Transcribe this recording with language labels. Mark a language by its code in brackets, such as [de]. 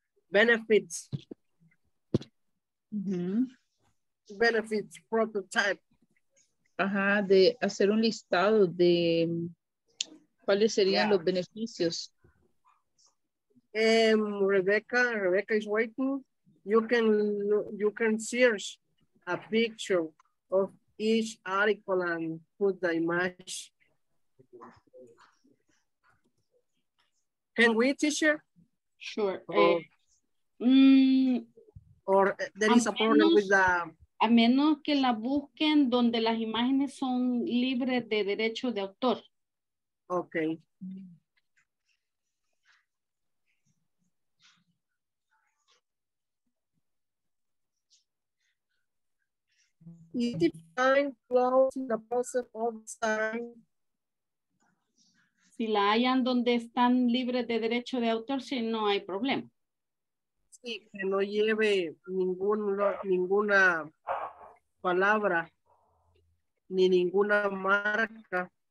[en] Benefits. Mm-hmm. Benefits prototype. [es] Ajá, de hacer un listado de cuáles serían los beneficios. [en] Rebecca is waiting. You can search a picture of each article and put the image. Can we, teacher? Sure. Or there is a problem with the. [es] A menos que la busquen donde las imágenes son libres de derecho de autor. [en] Okay. Mm-hmm. you define close in the process of sign. [es] Si la hallan donde están libres de derecho de autor, si no hay problema. Sí, que no lleve ninguna palabra ni ninguna marca.